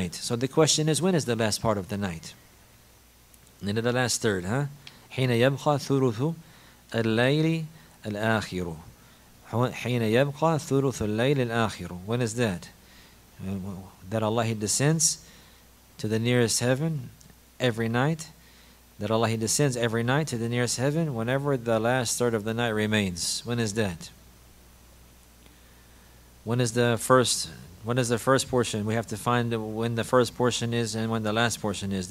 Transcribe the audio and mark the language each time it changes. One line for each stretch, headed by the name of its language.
English: So the question is, when is the last part of the night? Into the last third, huh?
Arabic: حين يبقى ثلث الليل الآخر. حين يبقى ثلث الليل الآخر.
English: When is that? That Allah descends to the nearest heaven every night. That Allah descends every night to the nearest heaven whenever the last third of the night remains. When is that? When is the first portion? We have to find when the first portion is and when the last portion is.